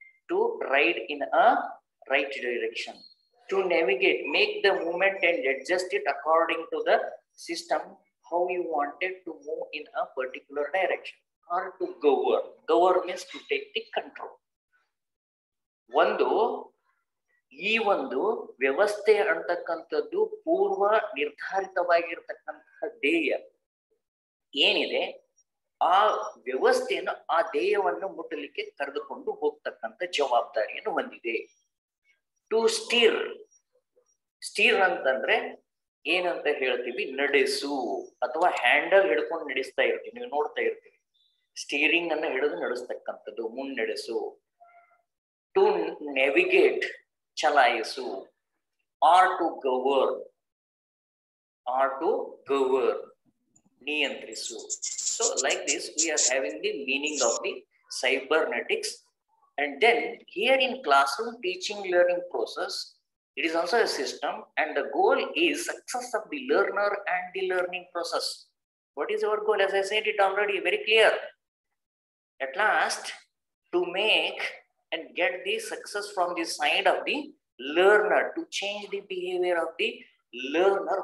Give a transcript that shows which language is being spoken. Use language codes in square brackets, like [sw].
[en] To ride in a right direction, to navigate, make the movement and adjust it according to the system how you wanted to move in a particular direction, or to govern means to take the control. [kn] Vandu ಈ ಒಂದು ವ್ಯವಸ್ಥೆ ಅಂತಕ್ಕಂಥದ್ದು ಪೂರ್ವ ನಿರ್ಧಾರಿತವಾಗಿರ್ತಕ್ಕಂತಹ ಧ್ಯೇಯ ಏನಿದೆ ಆ ವ್ಯವಸ್ಥೆಯನ್ನು, ಆ ಧ್ಯೇಯವನ್ನು ಮುಟ್ಟಲಿಕ್ಕೆ ಕರೆದುಕೊಂಡು ಹೋಗ್ತಕ್ಕಂಥ ಜವಾಬ್ದಾರಿಯನ್ನು ಹೊಂದಿದೆ. [en] to steer [kn] ಅಂತಂದ್ರೆ ಏನಂತ ಹೇಳ್ತೀವಿ, ನಡೆಸು ಅಥವಾ ಹ್ಯಾಂಡಲ್ ಹಿಡ್ಕೊಂಡು ನಡೆಸ್ತಾ ಇರ್ತೀವಿ, ನೀವು ನೋಡ್ತಾ ಇರ್ತೀವಿ, ಸ್ಟೀರಿಂಗ್ ಅನ್ನ ಹಿಡಿದು ನಡೆಸ್ತಕ್ಕಂಥದ್ದು, ಮುನ್ನಡೆಸು. [en] to navigate, [kn] ಚಲಾಯಿಸು. [en] or to govern, or to govern, [kn] ನಿಯಂತ್ರಿಸು. [en] So like this we are having the meaning of the cybernetics. And then here in classroom teaching learning process, it is also a system and the goal is success of the learner and the learning process. What is our goal? As I said it already very clear, at last to make and get the success from the side of the learner, to change the behavior of the learner.